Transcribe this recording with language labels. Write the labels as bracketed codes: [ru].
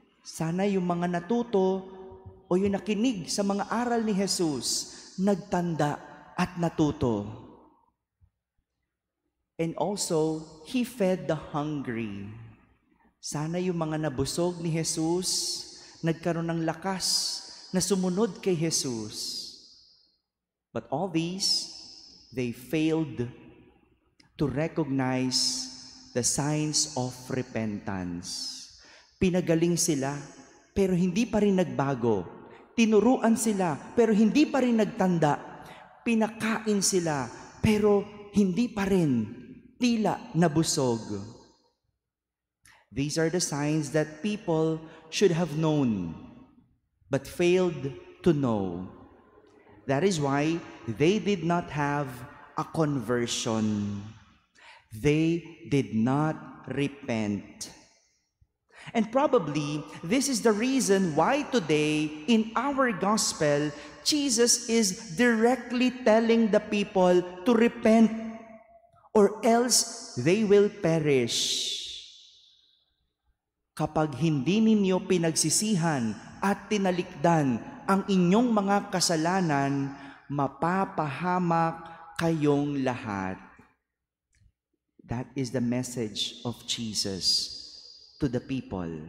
[tl] Sana yung mga natuto o yung nakinig sa mga aral ni Jesus, nagtanda at natuto. [en] And also, he fed the hungry. [tl] Sana yung mga nabusog ni Jesus, nagkaroon ng lakas na sumunod kay Jesus. [en] But all these, they failed to recognize the signs of repentance. [tl] Pinagaling sila, pero hindi pa rin nagbago. Tinuruan sila, pero hindi pa rin nagtanda. Pinakain sila, pero hindi pa rin tila nabusog. [en] These are the signs that people should have known but failed to know. That is why they did not have a conversion. They did not repent. And probably this is the reason why today in our gospel, Jesus is directly telling the people to repent or else they will perish. [tl] Kapag hindi ninyo pinagsisihan at tinalikdan ang inyong mga kasalanan, mapapahamak kayong lahat. [en] That is the message of Jesus to the people.